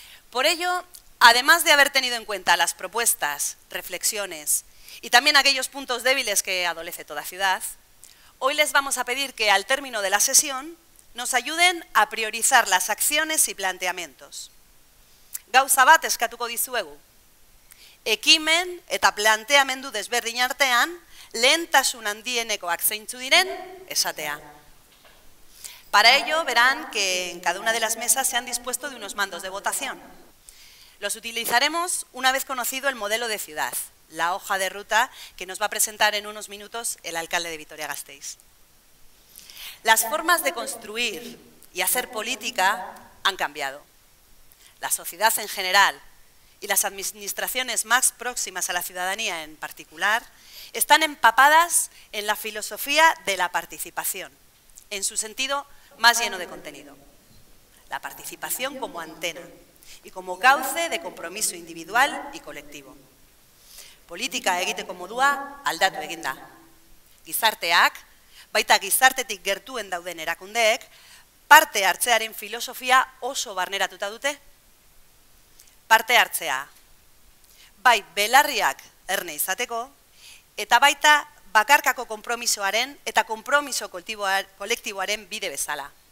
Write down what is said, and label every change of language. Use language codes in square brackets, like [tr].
[es] Por ello, además de haber tenido en cuenta las propuestas, reflexiones y también aquellos puntos débiles que adolece toda ciudad, hoy les vamos a pedir que, al término de la sesión, nos ayuden a priorizar las acciones y planteamientos. [eu] Gauza bat eskatuko dizuegu. Ekimen eta planteamendu desberdin artean, lehentasun handienekoak zeintzu diren, esatea. [es] Para ello, verán que en cada una de las mesas se han dispuesto de unos mandos de votación. Los utilizaremos una vez conocido el modelo de ciudad, la hoja de ruta que nos va a presentar en unos minutos el alcalde de Vitoria-Gasteiz. Las formas de construir y hacer política han cambiado. La sociedad en general y las administraciones más próximas a la ciudadanía en particular están empapadas en la filosofía de la participación, en su sentido más lleno de contenido. La participación como antena y como cauce de compromiso individual y colectivo. [eu] Politika egiteko modua aldatu egin da. Gizarteak, baita gizartetik gertuen dauden erakundeek, parte hartzearen filosofia oso barneratuta dute. Parte hartzea, bai belarriak erne izateko, eta baita bakarkako konpromisoaren eta konpromiso kolektiboaren bide bezala.